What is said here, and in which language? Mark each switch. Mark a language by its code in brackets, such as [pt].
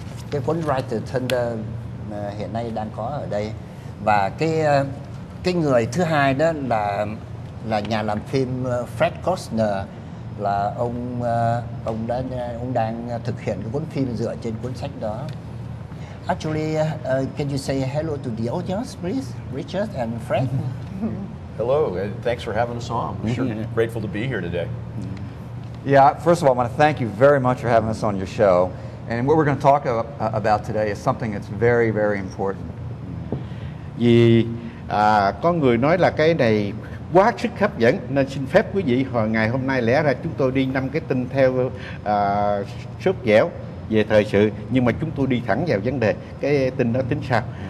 [vi] Cái cuốn Ride the Thunder hiện nay đang có ở đây. Và cái người thứ hai đó là nhà làm phim Fred Costner, là ông đang thực hiện cái cuốn phim dựa trên cuốn sách đó. [en] Actually, can you say hello to the audience, please, Richard and Fred? Hello, thanks for having us on. I'm sure grateful to be here today. Yeah, first of all, I want to thank you very much for having us on your show. And what we're going to talk about today is something that's very, very important. [vi] Vì có người nói là cái này quá sức hấp dẫn, nên xin phép quý vị hồi ngày hôm nay lẽ ra chúng tôi đi năm cái tin theo sốt dẻo về thời sự, nhưng mà chúng tôi đi thẳng vào vấn đề, cái tin đó tính sao.